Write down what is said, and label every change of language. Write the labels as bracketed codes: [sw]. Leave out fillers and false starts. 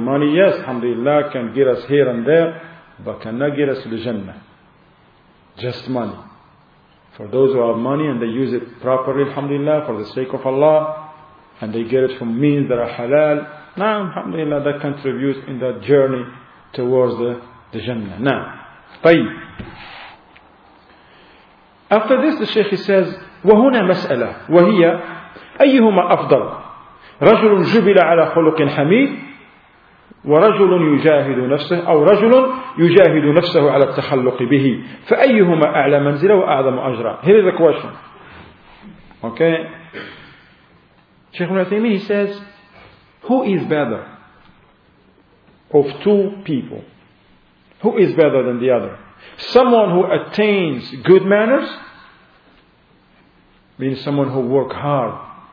[en] Money, yes, alhamdulillah, can get us here and there, but cannot get us to the Jannah. Just money. For those who have money and they use it properly, alhamdulillah, for the sake of Allah, and they get it from means that are halal, now, alhamdulillah, that contributes in that journey towards the Jannah. Now, tayyib. After this, the Shaykh says, [ar] وَهُنَا مَسْأَلَةً وَهِيَ أَيُّهُمَا أَفْضَلُ رجل جبل على خلق حميد ورجل يجاهد نفسه أو رجل يجاهد نفسه على التخلق به فأيهما أعلى منزلة وأعظم أجرا. [en] Here is the question. Okay. Sheikh Al-Uthaymeen, he says, who is better of two people? Who is better than the other? Someone who attains good manners, means someone who works hard.